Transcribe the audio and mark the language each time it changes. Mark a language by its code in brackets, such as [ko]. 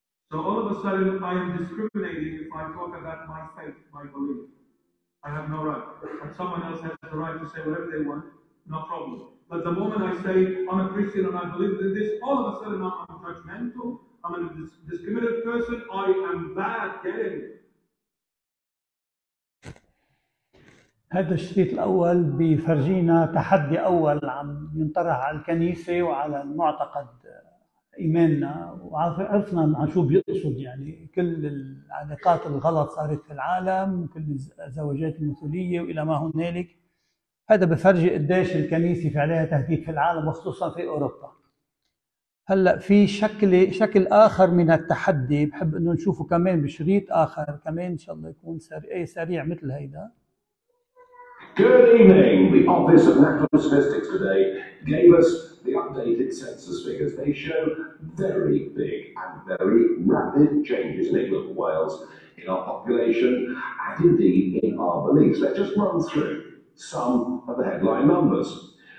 [en] So all of a sudden, I am discriminating if I talk about my faith, my belief. I have no right. And someone else has the right to say whatever they want, no problem. But the moment I say, I'm a Christian and I believe in this, all of a sudden I'm judgmental, I'm a discriminated person, I am bad, get it? [ar] هذا الشريط الأول بيفرجينا تحدي أول عم ينطرح على الكنيسة وعلى المعتقد إيماننا، وعرفنا عن شو بيقصد. يعني كل العلاقات الغلط صارت في العالم، وكل الزواجات المثلية وإلى ما هنالك، هذا بفرجي قديش الكنيسة فعليها تهديد في العالم وخصوصا في أوروبا. هلأ في شكل آخر من التحدي بحب أنه نشوفه كمان بشريط آخر كمان، إن شاء الله يكون سريع مثل هيدا. [en] Good evening. The Office of National Statistics today gave us the updated census figures. They show very big and very rapid changes in England and Wales, in our population, and indeed in our beliefs. Let's just run through some of the headline numbers.